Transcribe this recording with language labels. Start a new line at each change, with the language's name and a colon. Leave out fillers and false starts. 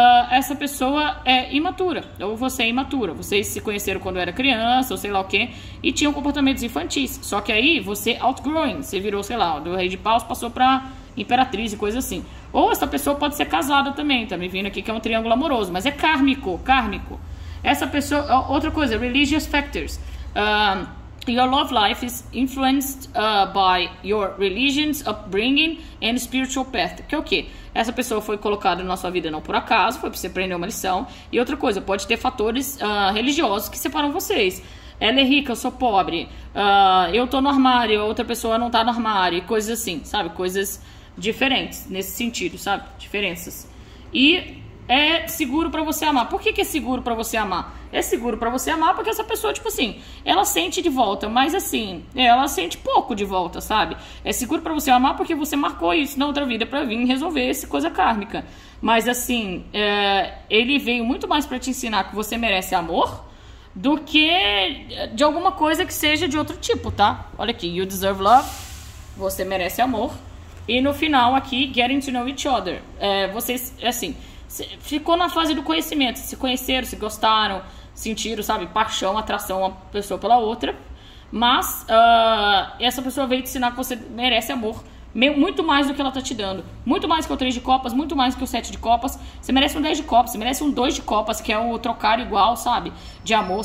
Portuguese: Essa pessoa é imatura, ou você é imatura. Vocês se conheceram quando era criança, ou sei lá o quê, e tinham comportamentos infantis. Só que aí você outgrowing, você virou, sei lá, do rei de paus passou pra imperatriz e coisa assim. Ou essa pessoa pode ser casada também, tá me vindo aqui que é um triângulo amoroso, mas é kármico, kármico. Essa pessoa, outra coisa,
English: religious factors. Your love life is influenced by your religion's upbringing and spiritual path.
Portuguese: Que é o quê? Essa pessoa foi colocada na sua vida não por acaso, foi para você aprender uma lição. E outra coisa, pode ter fatores religiosos que separam vocês. Ela é rica, eu sou pobre. Eu tô no armário, outra pessoa não tá no armário. Coisas assim, sabe? Coisas diferentes nesse sentido, sabe? Diferenças. E é seguro para você amar. Por que que é seguro para você amar? É seguro para você amar porque essa pessoa, tipo assim, ela sente de volta, mas assim, ela sente pouco de volta, sabe? É seguro para você amar porque você marcou isso na outra vida para vir resolver essa coisa kármica. Mas assim, ele veio muito mais para te ensinar que você merece amor do que de alguma coisa que seja de outro tipo, tá? Olha aqui,
English: you deserve love.
Portuguese: Você merece amor. E no final aqui,
English: getting to know each other.
Portuguese: Vocês, assim, ficou na fase do conhecimento. Se conheceram, se gostaram, sentiram, sabe, paixão, atração uma pessoa pela outra. Mas essa pessoa veio te ensinar que você merece amor muito mais do que ela tá te dando. Muito mais que o 3 de copas, muito mais que o 7 de copas. Você merece um 10 de copas, você merece um 2 de copas, que é o trocar igual, sabe, de amor.